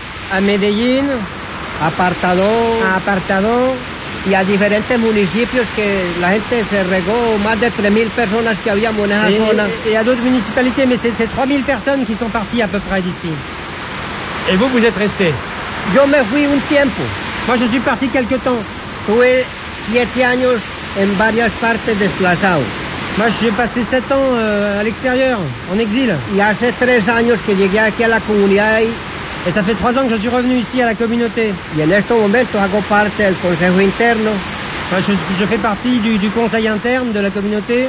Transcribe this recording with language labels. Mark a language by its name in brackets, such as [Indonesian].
[Spanish] A Medellín, Apartadó, y a diferentes municipios que la gente se regó, más de 3.000 personas que habíamos en esa zona. [French] Y a d'autres municipalités, mais c'est 3.000 personnes qui sont parties à peu près d'ici. Et vous, vous êtes resté? [Spanish] Yo me fui un tiempo. [French] Moi, je suis parti quelque temps. [Spanish] Tuve 7 años en varias partes desplazado. [French] Moi, j'ai passé 7 ans à l'extérieur, en exil. [Spanish] Y hace 3 años que llegué aquí a la comunidad. [French] Et ça fait 3 ans que je suis revenu ici à la communauté. [Spanish] Y en este momento hago parte del consejo interno. [French] Moi, je fais partie du conseil interne de la communauté.